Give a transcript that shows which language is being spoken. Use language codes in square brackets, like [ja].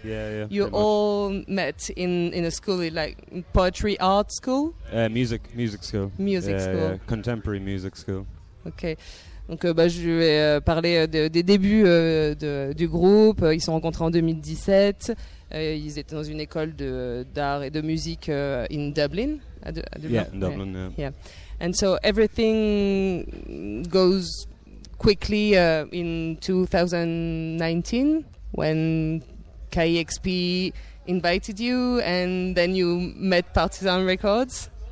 [en] You all met in a school, like poetry art school. Music school. Music school. Yeah. Contemporary music school. Okay. [fr] Donc je vais parler des débuts du groupe. Ils se sont rencontrés en 2017. Ils étaient dans une école d'art et de musique [en] in Dublin. In Dublin. And so everything goes quickly in 2019 when KEXP invited you and then you met Partisan Records.